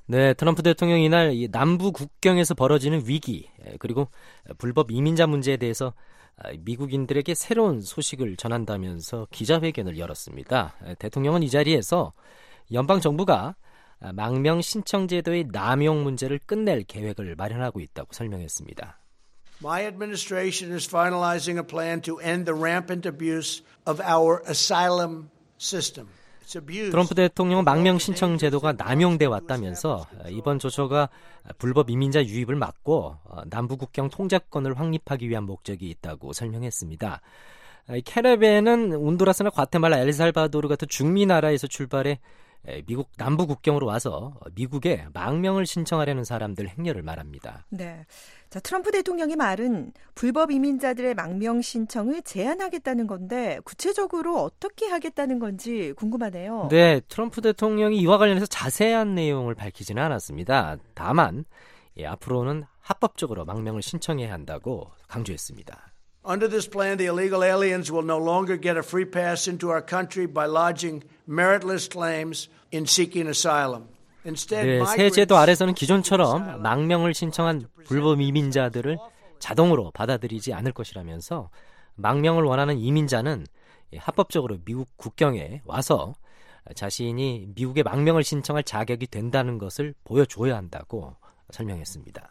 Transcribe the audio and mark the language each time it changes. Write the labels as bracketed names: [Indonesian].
[Korean] 네, 트럼프 대통령이 이날 남부 국경에서 벌어지는 위기 그리고 불법 이민자 문제에 대해서 미국인들에게 새로운 소식을 전한다면서 기자회견을 열었습니다. 대통령은 이 자리에서 연방정부가 망명 신청 제도의 남용 문제를 끝낼 계획을 마련하고 있다고 설명했습니다. [English] My administration is finalizing a plan to end the rampant abuse of our asylum system. [Korean] 트럼프 대통령은 망명 신청 제도가 남용돼 왔다면서 이번 조처가 불법 이민자 유입을 막고 남부 국경 통제권을 확립하기 위한 목적이 있다고 설명했습니다. 캐러밴은 온두라스나 과테말라, 엘살바도르 같은 중미 나라에서 출발해 미국 남부 국경으로 와서 미국에 망명을 신청하려는 사람들 행렬을 말합니다. 네. 자, 트럼프 대통령의 말은 불법 이민자들의 망명 신청을 제한하겠다는 건데 구체적으로 어떻게 하겠다는 건지 궁금하네요. 네. 트럼프 대통령이 이와 관련해서 자세한 내용을 밝히지는 않았습니다. 다만 앞으로는 합법적으로 망명을 신청해야 한다고 강조했습니다. [English] Under this plan, the illegal aliens will no longer get a free pass into our country by lodging meritless claims in seeking asylum. [Korean] 네, 새 제도 아래서는 기존처럼 망명을 신청한 불법 이민자들을 자동으로 받아들이지 않을 것이라면서 망명을 원하는 이민자는 합법적으로 미국 국경에 와서 자신이 미국에 망명을 신청할 자격이 된다는 것을 보여줘야 한다고 설명했습니다.